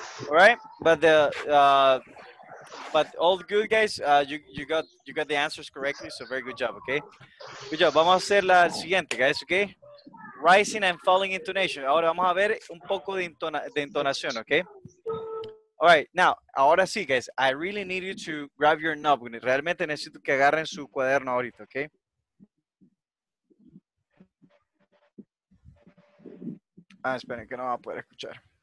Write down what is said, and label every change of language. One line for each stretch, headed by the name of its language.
English: All right, but the, but all good, guys, you got the answers correctly, so very good job, okay? Good job,
Spanish: vamos a hacer la siguiente,
English: guys, okay? Rising and falling intonation.
Spanish: Ahora vamos a ver un poco de entonación, okay?
English: All right, now,
Spanish: ahora sí,
English: guys, I really need you to grab your notebook.
Spanish: Realmente necesito que agarren su cuaderno ahorita, okay? Ah, esperen, que no va a poder escuchar.